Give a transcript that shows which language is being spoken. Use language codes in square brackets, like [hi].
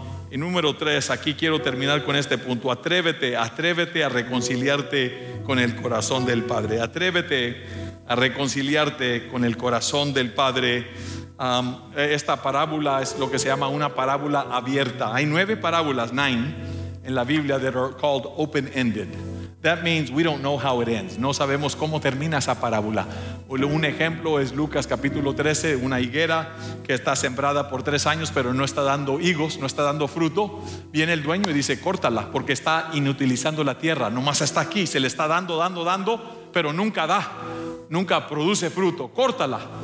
[es] Y número 3, aquí quiero terminar con este punto. Atrévete a reconciliarte con el corazón del Padre. Atrévete a reconciliarte con el corazón del Padre. Esta parábola es lo que se llama una parábola abierta. Hay 9 parábolas, 9, en la Biblia [en] that are called open-ended. That means we don't know how it ends. [es] No sabemos cómo termina esa parábola. Un ejemplo es Lucas capítulo 13, una higuera que está sembrada por 3 años, pero no está dando higos, no está dando fruto. Viene el dueño y dice, córtala, porque está inutilizando la tierra. Nomás está aquí, se le está dando, pero nunca da, nunca produce fruto. Córtala.